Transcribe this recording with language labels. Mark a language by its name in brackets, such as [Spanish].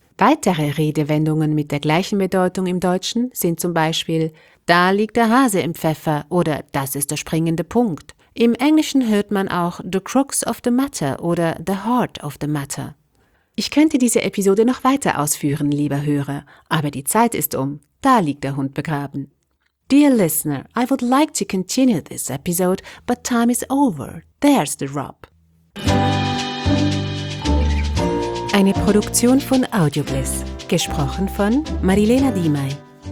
[German] Weitere Redewendungen mit der gleichen Bedeutung im Deutschen sind zum Beispiel da liegt der Hase im Pfeffer oder das ist der springende Punkt. Im Englischen hört man auch [English] the crux of the matter [German] oder [English] the heart of the matter. [German] Ich könnte diese Episode noch weiter ausführen, lieber Hörer, aber die Zeit ist um, da liegt der Hund begraben. [English] Dear listener, I would like to continue this episode, but time is over. There's the rub. [German] Eine Produktion von Audiobliss, gesprochen von Marilena Diemey.